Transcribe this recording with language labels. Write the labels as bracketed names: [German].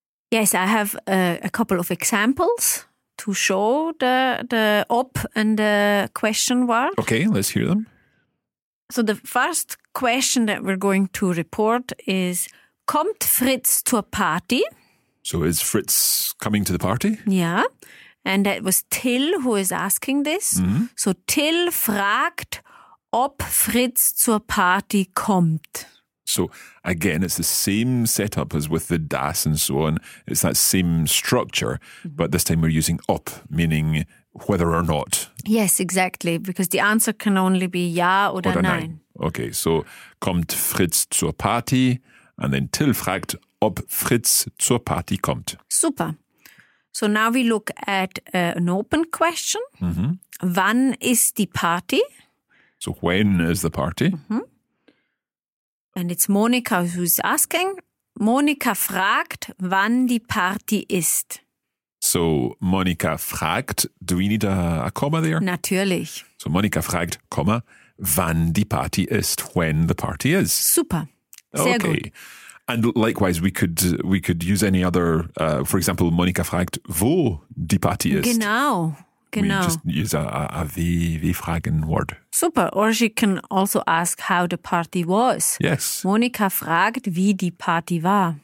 [English] Yes, I have a couple of examples to show the op and the question word. Okay, let's hear them. So the first question that we're going to report is, [German] kommt Fritz zur Party? [English] So is Fritz coming to the party? Yeah, and that was Till who is asking this. Mm-hmm. [German] So Till fragt, ob Fritz zur Party kommt. [English] So again, it's the same setup as with the das and so on. It's that same structure, but this time we're using ob, meaning whether or not. Yes, exactly, because the answer can only be [German] ja oder nein. [English] Okay, so [German] kommt Fritz zur Party? [English] And then [German] Till fragt, ob Fritz zur Party kommt. Super. [English] So now we look at an open question. Mm-hmm. [German] Wann ist die Party? [English] So when is the party? Mm-hmm. And it's Monika who's asking. [German] Monika fragt, wann die Party ist. [English] So [German] Monika fragt, [English] do we need a comma there? [German] Natürlich. [English] So [German] Monika fragt, [English] comma, [German] wann die Party ist, [English] when the party is. [German] Super. Sehr [English] okay. [German] Gut. [English] And likewise, we could use any other, for example, [German] Monika fragt, wo die Party ist. Genau. Genau. [English] We just use a W-Fragen word. [German] Super. [English] Or she can also ask how the party was. Yes. [German] Monika fragt, wie die Party war.